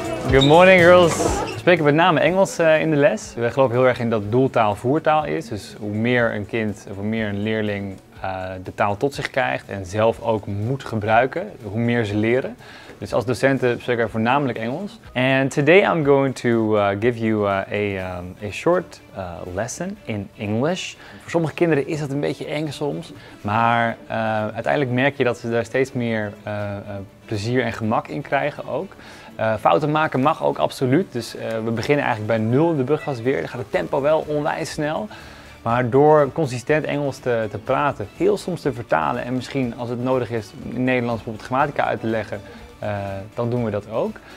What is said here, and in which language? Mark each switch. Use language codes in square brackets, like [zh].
[en] Good morning girls. [nl] We spreken met name Engels in de les. We geloven heel erg in dat doeltaal voertaal is. Dus hoe meer een kind of hoe meer een leerling de taal tot zich krijgt en zelf ook moet gebruiken, hoe meer ze leren. Dus als docenten spreek ik voornamelijk Engels. [en] And today I'm going to give you a short lesson in English. [nl] Voor sommige kinderen is dat een beetje eng soms. Maar uiteindelijk merk je dat ze daar steeds meer plezier en gemak in krijgen ook. Fouten maken mag ook absoluut. Dus we beginnen eigenlijk bij nul in de brugklas weer. Dan gaat het tempo wel onwijs snel. Maar door consistent Engels te praten, heel soms te vertalen en misschien als het nodig is in Nederlands bijvoorbeeld grammatica uit te leggen, dan doen we dat ook.